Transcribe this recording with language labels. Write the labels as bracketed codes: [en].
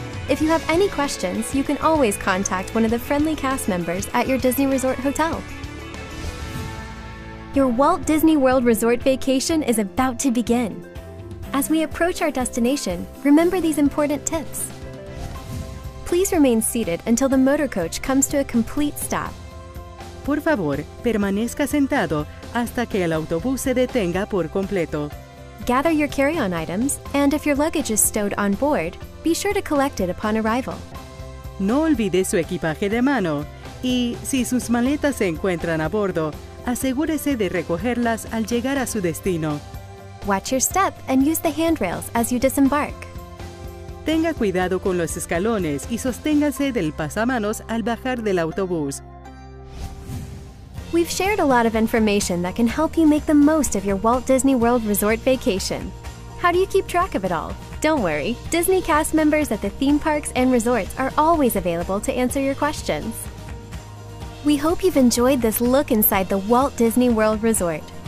[en] If you have any questions, you can always contact one of the friendly cast members at your Disney Resort hotel. Your Walt Disney World Resort vacation is about to begin. As we approach our destination, remember these important tips. Please remain seated until the motor coach comes to a complete stop. [es] Por favor, permanezca sentado hasta que el autobús se detenga por completo. [en] Gather your carry-on items, and if your luggage is stowed on board, be sure to collect it upon arrival. [es] No olvide su equipaje de mano, y si sus maletas se encuentran a bordo, asegúrese de recogerlas al llegar a su destino. [en] Watch your step and use the handrails as you disembark. [es] Tenga cuidado con los escalones y sosténgase del pasamanos al bajar del autobús. [en] We've shared a lot of information that can help you make the most of your Walt Disney World Resort vacation. How do you keep track of it all? Don't worry, Disney cast members at the theme parks and resorts are always available to answer your questions. We hope you've enjoyed this look inside the Walt Disney World Resort.